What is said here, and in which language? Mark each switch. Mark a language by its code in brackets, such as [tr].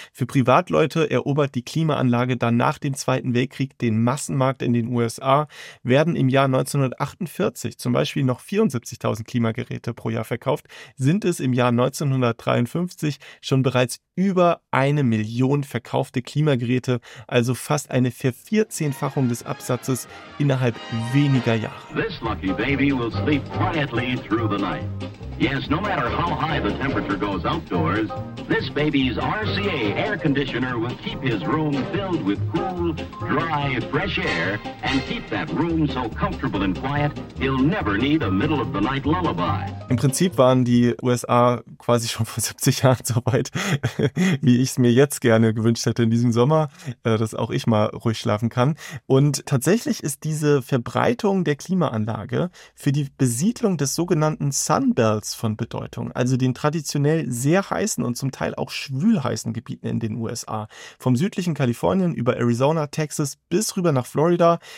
[de] Für Privatleute erobert die Klimaanlage dann nach dem Zweiten Weltkrieg den Massenmarkt in den USA, werden im Jahr 1948 zum Beispiel noch 74.000 Klimageräte pro Jahr verkauft, sind es im Jahr 1953 schon bereits über 1 Million verkaufte Klimageräte, also fast eine Vervierzehnfachung des Absatzes innerhalb weniger Jahre. [en] This lucky baby will sleep quietly through the night. Yes, no matter how high the temperature goes outdoors, this baby's RCA air conditioner will keep his room filled with cool, dry, fresh air and keep that room so comfortable and quiet, he'll never need a middle of the night lullaby. [de] Im Prinzip waren die USA quasi schon vor 70 Jahren so weit, wie ich es mir jetzt gerne gewünscht hätte in diesem Sommer, dass auch ich mal ruhig schlafen kann. Und tatsächlich ist diese Verbreitung der Klimaanlage für die Besiedlung des sogenannten Sunbelts von Bedeutung, also den traditionell sehr heißen und zum Teil auch schwülheißen Gebieten in den USA, vom südlichen Kalifornien über Arizona, Texas bis rüber nach Florida.